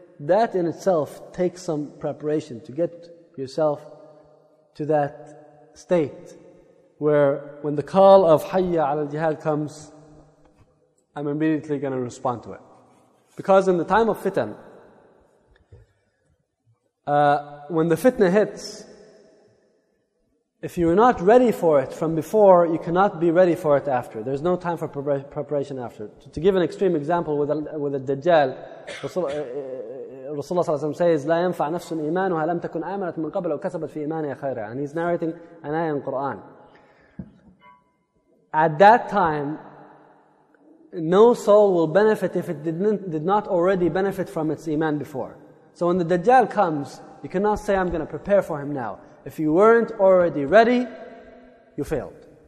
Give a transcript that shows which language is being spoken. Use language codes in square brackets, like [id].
[en] That in itself takes some preparation to get yourself to that state where when the call of Hayya ala al-Jihad comes, I'm immediately going to respond to it. Because in the time of fitan, when the fitna hits, if you are not ready for it from before, you cannot be ready for it after. There's no time for preparation after. To give an extreme example with a Dajjal, Rasulullah ﷺ says, [ar] لا ينفع نفس إيمانها لم تكن آمنت من قبل أو كسبت في إيمانها خيرا. [en] And he's narrating an ayah in Quran. At that time, no soul will benefit if it did not already benefit from its iman before. So when the Dajjal comes, you cannot say, I'm going to prepare for him now. If you weren't already ready, you failed.